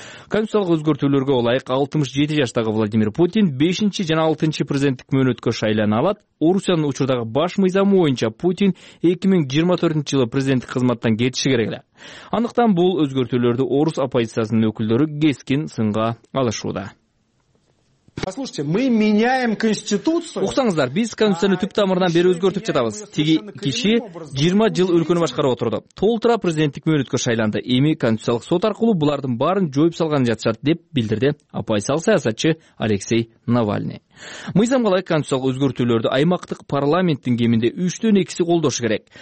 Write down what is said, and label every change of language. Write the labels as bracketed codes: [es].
[ky] Конституциялык өзгөртүүлөргө ылайык 67 жаштагы Владимир Путин 5-чи жана 6-чы президенттик мөөнөткө шайлана алат. Орусиянын учурдагы баш мыйзамы боюнча Путин 2024 жылы президенттик кызматтан кетиши керек эле. Андыктан бул өзгөртүүлөрдү Орус оппозициясынын өкүлдөрү кескин сынга алышууда. [ru] Послушайте, мы меняем конституцию. [ky] Уксаңыздар, биз конституцияны түп тамырынан бери өзгөртүп жатабыз. Тиги киши 20 жыл өлкөнү башкарып отурду. Толтура президенттик мөөнөткө шайланды. Эми конституциялык сот аркылуу булардын баарын жоюп салган жатышат деп билдирди оппозициялык саясатчы Алексей Навальный. Мыйзамга ылайык конституциялык өзгөртүүлөрдү аймактык парламенттин кеминде 3/2 колдошу керек.